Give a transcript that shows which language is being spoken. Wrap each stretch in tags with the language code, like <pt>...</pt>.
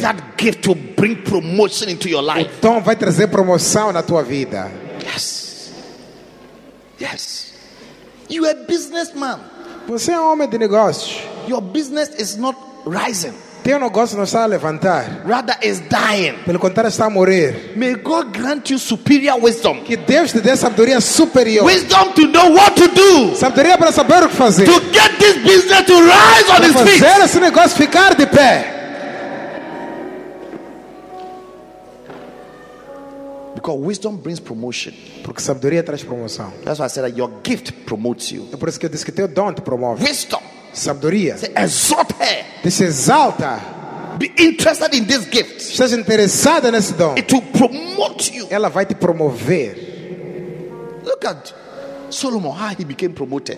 <en>That gift will bring promotion into your life.</en> <pt>O dom vai trazer promoção na tua vida.</pt> <en>Yes. Yes. You are a businessman.</en> <pt>Você é um homem de negócios.</pt> <en>Your business is not rising.</en> <pt>Teu negócio não está a levantar.</pt> <en>Rather is dying.</en> <pt>Pelo contrário, está a morrer.</pt> <en>May God grant you superior wisdom.</en> <pt>Que Deus te dê sabedoria superior.</pt> <en>Wisdom to know what to do.</en> <pt>Sabedoria para saber o que fazer.</pt> <en>To get this business to rise on its feet.</en> <pt>Para fazer esse negócio ficar de pé.</pt> <en>Because wisdom brings promotion.</en> <pt>Porque sabedoria traz promoção.</pt> <en>That's why I said that your gift promotes you.</en> <pt>É por isso que eu disse que teu dom te promove.</pt> <en>Wisdom.</en> <pt>Sabedoria.</pt> <en>Exalt her.</en> <pt>This exalta.</pt> <en>Be interested in this gift.</en> <pt>Seja interessada nesse dom.</pt> <en>It will promote you.</en> <pt>Ela vai te promover.</pt> <en>Look at Solomon. How he became promoted.</en>